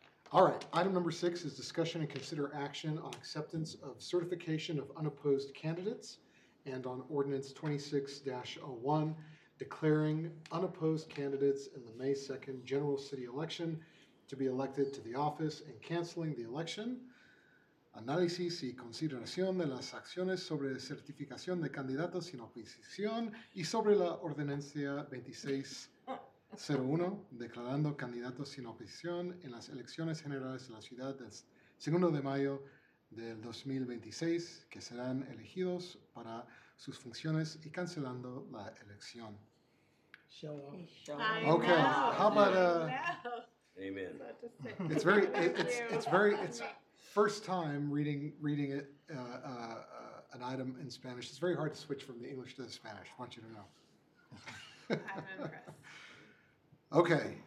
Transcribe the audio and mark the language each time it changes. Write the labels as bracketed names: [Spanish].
[English] All right, item number 6 is discussion and consider action on acceptance of certification of unopposed candidates and on ordinance 26-01, declaring unopposed candidates in the May 2nd general city election to be elected to the office and canceling the election. [Spanish] Análisis y consideración de las acciones sobre certificación de candidatos sin oposición y sobre la ordenancia 26-01, declarando candidatos sin oposición en las elecciones generales de la ciudad del 2 de mayo del 2026, que serán elegidos para sus funciones y cancelando la elección. [English] Show off. Okay. Know. How about Amen. It's first time reading it an item in Spanish. It's very hard to switch from the English to the Spanish. I want you to know. I'm impressed.